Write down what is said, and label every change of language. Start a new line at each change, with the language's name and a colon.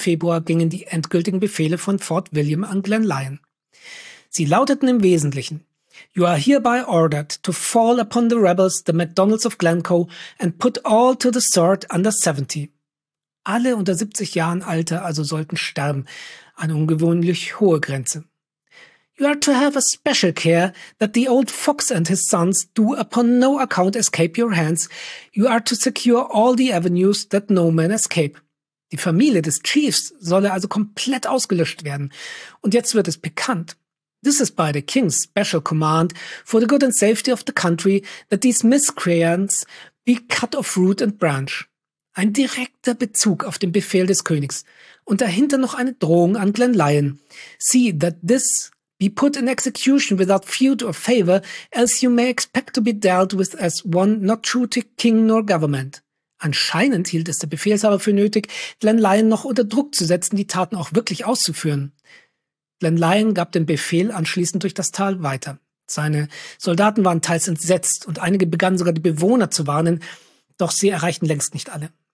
German: Februar gingen die endgültigen Befehle von Fort William an Glenlyon. Sie lauteten im Wesentlichen:
English: You are hereby ordered to fall upon the rebels, the McDonalds of Glencoe, and put all to the sword under 70.
German: Alle unter 70 Jahren Alter also sollten sterben, eine ungewöhnlich hohe Grenze.
English: You are to have a special care that the old fox and his sons do upon no account escape your hands. You are to secure all the avenues that no man escape.
German: Die Familie des Chiefs solle also komplett ausgelöscht werden. Und jetzt wird es pikant.
English: This is by the king's special command for the good and safety of the country that these miscreants be cut off root and branch.
German: Ein direkter Bezug auf den Befehl des Königs. Und dahinter noch eine Drohung an Glenlyon.
English: See that this be put in execution without feud or favor, else you may expect to be dealt with as one not true to king nor government.
German: Anscheinend hielt es der Befehlshaber für nötig, Glenlyon noch unter Druck zu setzen, die Taten auch wirklich auszuführen. Glenlyon gab den Befehl anschließend durch das Tal weiter. Seine Soldaten waren teils entsetzt und einige begannen sogar die Bewohner zu warnen, doch sie erreichten längst nicht alle.